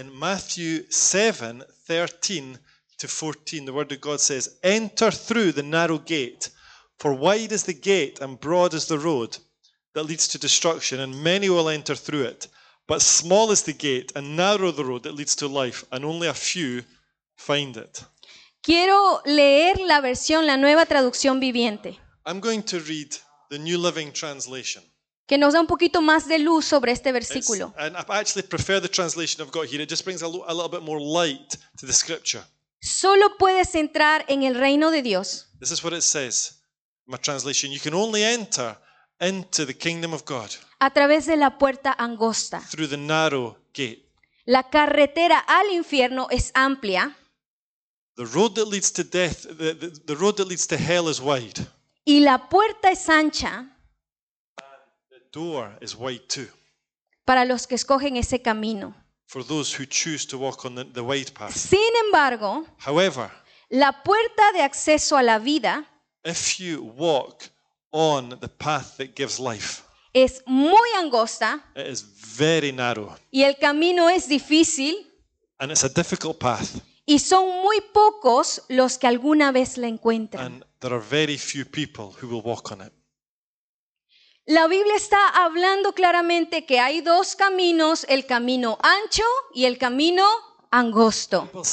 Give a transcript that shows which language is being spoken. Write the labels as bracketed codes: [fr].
[en] In Matthew 7:13-14, the Word of God says, enter through the narrow gate, for wide is the gate and broad is the road that leads to destruction, and many will enter through it. But small is the gate, and narrow the road that leads to life, and only a few find it. [es] Quiero leer la versión, la nueva traducción viviente. [en] I'm going to read the New Living Translation. [es] Que nos da un poquito más de luz sobre este versículo. [en] And I actually prefer the translation I've got here. It just brings a little bit more light to the scripture. [es] Solo puedes entrar en el reino de Dios. [en] This is what it says, my translation. You can only enter into the kingdom of God. [es] A través de la puerta angosta. [en] Through the narrow gate. [es] La carretera al infierno es amplia. [en] The road that leads to death, the road that leads to hell is wide. [es] Y la puerta es ancha. [en] The door is wide too. [es] Para los que escogen ese camino. [en] For those who choose to walk on the wide path. [es] Sin embargo, [en] however, [es] la puerta de acceso a la vida, [en] if you walk on the path that gives life, [es] es muy angosta. [en] It is very narrow. [es] Y el camino es difícil. [en] And it's a difficult path. [es] Y son muy pocos los que alguna vez la encuentran. [en] And there are very few people who will walk on it. [es] La Biblia está hablando claramente que hay dos caminos, el camino ancho y el camino angosto.